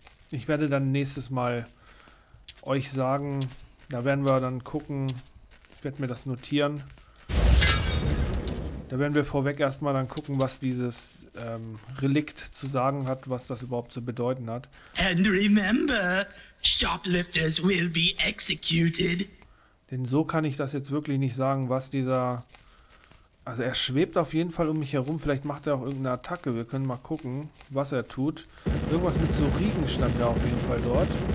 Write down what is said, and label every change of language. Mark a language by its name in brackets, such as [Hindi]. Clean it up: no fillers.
[German] Ich werde dann nächstes Mal euch sagen, da werden wir dann gucken. Ich werde mir das notieren. Da werden wir vorweg erstmal dann gucken, was dieses... Relikt zu sagen hat, was das überhaupt zu bedeuten hat. [English] And remember, shoplifters will be executed. [German] Denn so kann ich das jetzt wirklich nicht sagen, was dieser... Also er schwebt auf jeden Fall um mich herum. Vielleicht macht er auch irgendeine Attacke. Wir können mal gucken, was er tut. Irgendwas mit Suriken stand ja auf jeden Fall dort.